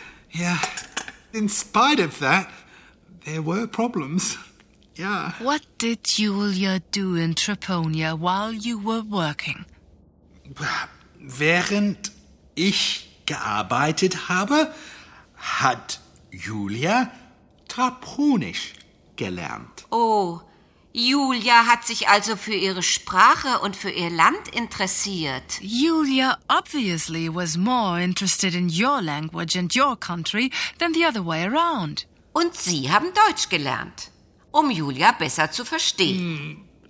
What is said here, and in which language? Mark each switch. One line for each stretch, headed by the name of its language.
English: Ja, in spite of that, there were problems. Yeah. What did Julia do in Treponia while you were working?
German: Während ich gearbeitet habe, hat Julia Traponisch gelernt. Oh, Julia hat sich also für ihre Sprache und für ihr Land interessiert.
English: Julia obviously was more interested in your language and your country than the other way around.
German: Und Sie haben Deutsch gelernt, um Julia besser zu verstehen.